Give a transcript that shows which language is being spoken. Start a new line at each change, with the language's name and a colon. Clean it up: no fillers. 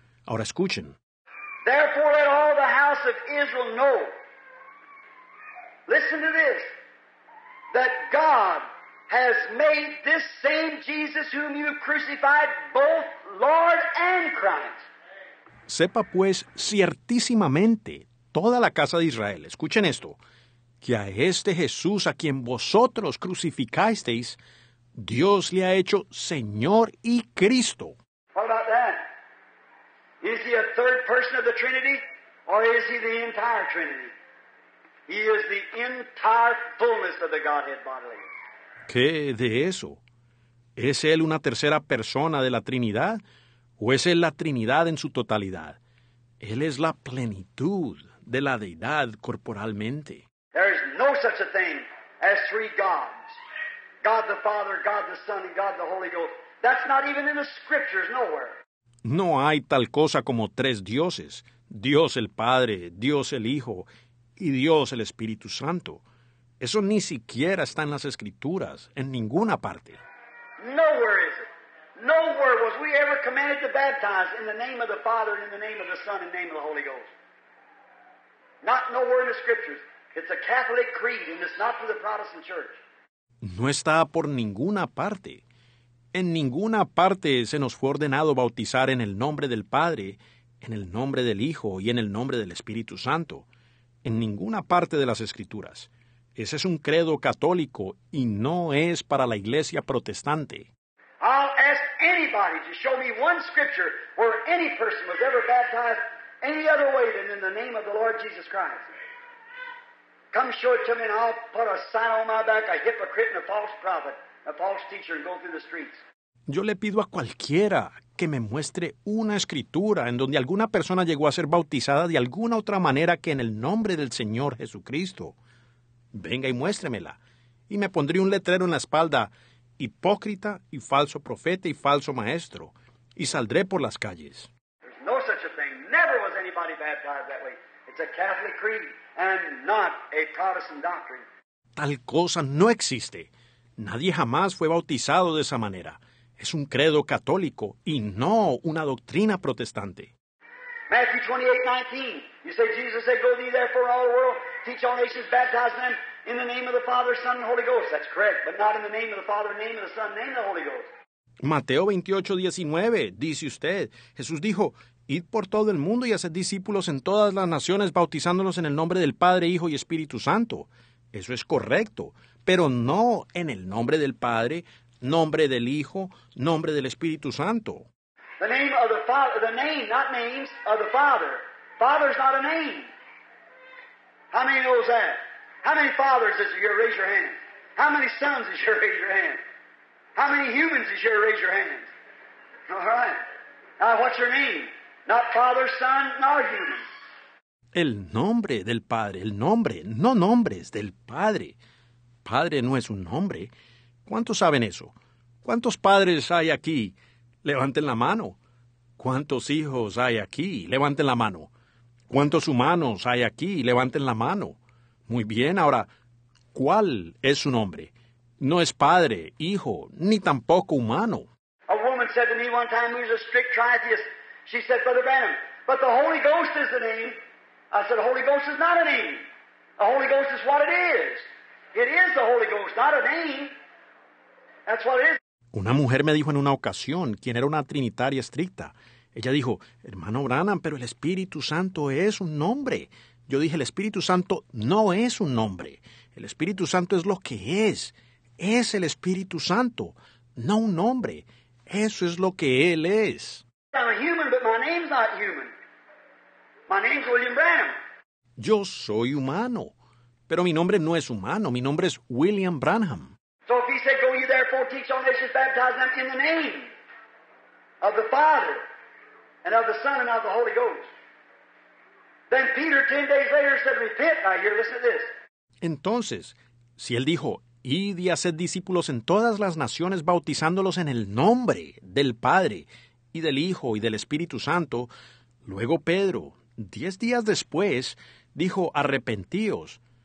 Spanish: Ahora escuchen.
English: Therefore let all the house of Israel know, listen to this, that God has made this same Jesus whom you crucified both Lord and Christ.
Spanish: Sepa pues ciertísimamente toda la casa de Israel, escuchen esto, que a este Jesús a quien vosotros crucificasteis, Dios le ha hecho Señor y Cristo.
English: What about that? Is he a third person of the Trinity, or is he the entire Trinity? He is the entire fullness of the Godhead bodily.
Spanish: ¿Qué de eso? ¿Es él una tercera persona de la Trinidad, o es él la Trinidad en su totalidad? Él es la plenitud de la Deidad corporalmente.
English: There is no such a thing as three gods. God the Father, God the Son, and God the Holy Ghost. That's not even in the Scriptures, nowhere.
Spanish: No hay tal cosa como tres dioses. Dios el Padre, Dios el Hijo, y Dios el Espíritu Santo. Eso ni siquiera está en las Escrituras, en ninguna parte.
English: Nowhere is it. Nowhere was we ever commanded to baptize in the name of the Father, and in the name of the Son, and in the name of the Holy Ghost. Not nowhere in the Scriptures. It's a Catholic creed, and it's not for the Protestant Church.
Spanish: No está por ninguna parte. En ninguna parte se nos fue ordenado bautizar en el nombre del Padre, en el nombre del Hijo y en el nombre del Espíritu Santo. En ninguna parte de las Escrituras. Ese es un credo católico y no es para la Iglesia protestante.
English: I'll ask anybody to show me one scripture where any person was ever baptized any other way than in the name of the Lord Jesus Christ. Come show it to me and I'll put a sign on my back, a hypocrite and a false prophet, a false teacher, and go through the streets.
Spanish: Yo le pido a cualquiera que me muestre una escritura en donde alguna persona llegó a ser bautizada de alguna otra manera que en el nombre del Señor Jesucristo. Venga y muéstremela. Y me pondré un letrero en la espalda, hipócrita y falso profeta y falso maestro, y saldré por las calles.
English: There's no such a thing. Never was anybody baptized that way. It's a Catholic creed. And not a Protestant doctrine.
Spanish: Tal cosa no existe. Nadie jamás fue bautizado de esa manera. Es un credo católico y no una doctrina protestante.
English: Matthew 28:19. You say Jesus said, "Go ye therefore all the world, teach all nations, baptize them in the name of the Father, Son, and Holy Ghost." That's correct, but not in the name of the Father, name of the Son, name of the Holy Ghost.
Spanish: Mateo 28:19, dice usted, Jesús dijo, id por todo el mundo y haced discípulos en todas las naciones, bautizándolos en el nombre del Padre, Hijo y Espíritu Santo. Eso es correcto, pero no en el nombre del Padre, nombre del Hijo, nombre del Espíritu Santo.
English: The name of the Father, the name, not names, of the Father. Father's not a name. How many knows that? How many fathers is your raise your hand? How many sons is your raise your hand? How many humans is your raise your hand? All right. Now, what's your name? Not Father, Son, nor human.
Spanish: El nombre del Padre, el nombre, no nombres, del Padre. Padre no es un nombre. ¿Cuántos saben eso? ¿Cuántos padres hay aquí? Levanten la mano. ¿Cuántos hijos hay aquí? Levanten la mano. ¿Cuántos humanos hay aquí? Levanten la mano. Muy bien, ahora, ¿cuál es su nombre? No es padre, hijo, ni tampoco humano.
English: A woman said to me one time, who's a strict tritheist, she said, Brother Branham, but the Holy Ghost is the name. I said, the Holy Ghost is not a name. The Holy Ghost is what it is. It is the Holy Ghost, not a name. That's what it is.
Spanish: Una mujer me dijo en una ocasión, quien era una trinitaria estricta, ella dijo, hermano Branham, pero el Espíritu Santo es un nombre. Yo dije, el Espíritu Santo no es un nombre. El Espíritu Santo es lo que es. Es el Espíritu Santo, no un nombre. Eso es lo que Él es.
English: I'm a human, but my name's not human. My name's William Branham.
Spanish: Yo soy humano, pero mi nombre no es humano. Mi nombre es William Branham.
English: So if he said, go ye therefore, teach all nations, baptize them in the name of the Father, and of the Son, and of the Holy Ghost. Then Peter, 10 days later, said, repent. Now here, listen to this.
Spanish: Entonces, si él dijo, id y haced discípulos en todas las naciones, bautizándolos en el nombre del Padre, y del Hijo, y del Espíritu Santo, luego Pedro, 10 días después, dijo, arrepentíos.